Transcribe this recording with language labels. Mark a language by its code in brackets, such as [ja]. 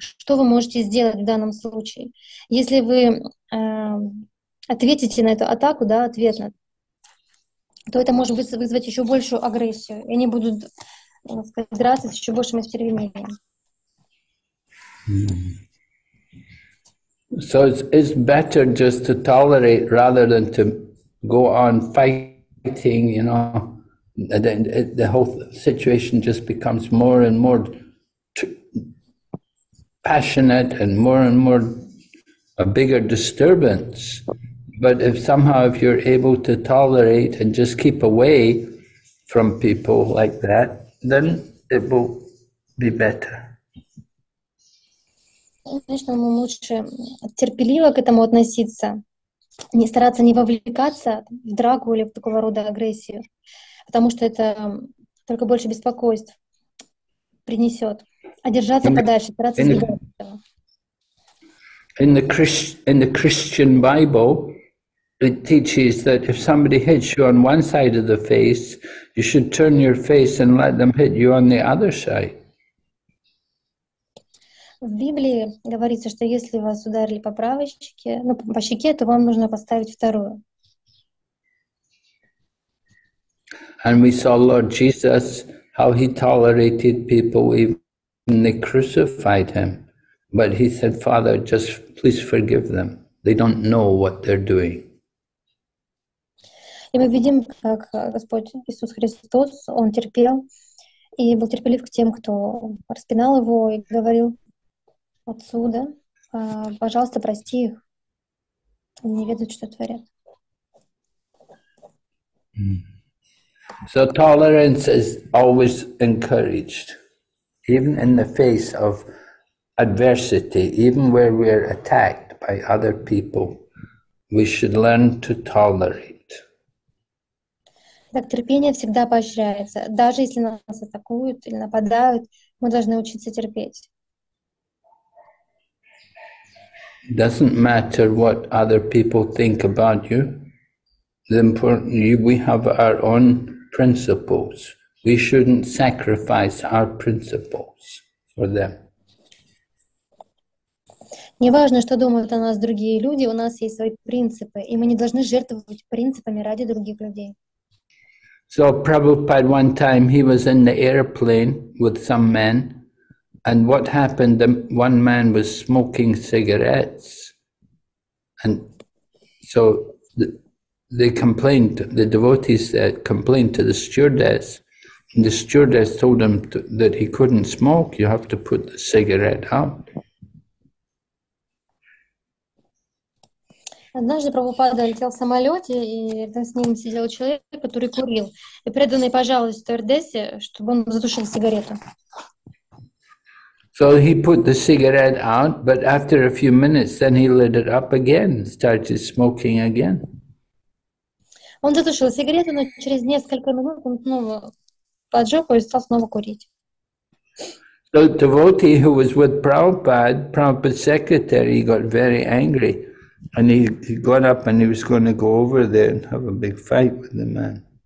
[ru] Что вы можете сделать в данном случае? Если вы ответите на эту атаку, да, ответно, то это может вызвать еще большую агрессию, и они будут, так сказать, драться с еще большим остервенением. [en] So it's better just to tolerate rather than to go on fighting, you know, and then the whole situation just becomes more and more passionate and more a bigger disturbance. But if somehow if you're able to tolerate and just keep away from people like that, then it will be better. [ru] Конечно, мы лучше терпеливо к этому относиться, не стараться не вовлекаться в драку или в такого рода агрессию, потому что это только больше беспокойств принесет. А держаться подальше, стараться не делать этого. [en] In the Christian Bible, it teaches that if somebody hits you on one side of the face, you should turn your face and let them hit you on the other side. [ru] В Библии говорится, что если вас ударили по правой щеке, ну, по щеке, то вам нужно поставить вторую. [en] And we saw Lord Jesus, how he tolerated people, even they crucified him. But he said, Father, just please forgive them. They don't know what they're doing. [ru] И мы видим, как Господь Иисус Христос, Он терпел и был терпелив к тем, кто распинал Его и говорил отсюда, пожалуйста, прости их, они не ведут, что творят. [en] So tolerance is always encouraged, even in the face of adversity, even where we are attacked by other people, we should learn to tolerate. [ru] Так, терпение всегда поощряется. Даже если нас атакуют или нападают, мы должны учиться терпеть. [en] Doesn't matter what other people think about you. The important, we have our own principles. We shouldn't sacrifice our principles for them. [ru] Не важно, что думают о нас другие люди, у нас есть свои принципы, и мы не должны жертвовать принципами ради других людей. [en] So Prabhupada one time, he was in the airplane with some men, and what happened, one man was smoking cigarettes, And so they complained, the devotees said, complained to the stewardess, and the stewardess told him that he couldn't smoke, you have to put the cigarette out. [ru] Однажды Прабхупада летел в самолете, и рядом с ним сидел человек, который курил. И преданный пожаловал стюардессе, чтобы он затушил сигарету. [en] So he put the cigarette out, but after a few minutes, then he lit it up again, started smoking again. [ru] Он затушил сигарету, но через несколько минут он снова поджег и стал снова курить. [en] So the devotee who was with Prabhupada, Prabhupada's secretary, got very angry. And he got up and he was going to go over there and have a big fight with the man.